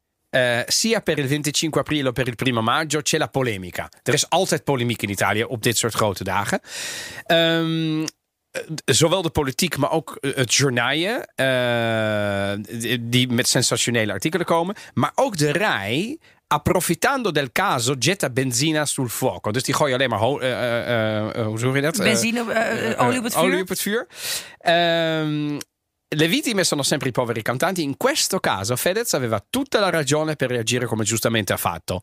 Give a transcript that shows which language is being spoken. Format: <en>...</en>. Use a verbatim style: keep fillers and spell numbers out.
<it>Uh, sia per il venticinque aprile per il primo maggio c'è la polemica.</it> <nl>Er is altijd polemiek in Italië op dit soort grote dagen. Um, zowel de politiek, maar ook het journaaien... Uh, die met sensationele artikelen komen. Maar ook de R A I...</nl> <it>approfittando del caso getta benzina sul fuoco.</it> <nl>Dus die gooi alleen maar ho- uh, uh, uh, hoe zeg je dat? Benzina, uh, uh, olie op het vuur. Olie op het vuur. Ehm...</nl> <it>Le vittime sono sempre i poveri cantanti. In questo caso Fedez aveva tutta la ragione per reagire come giustamente ha fatto.</it>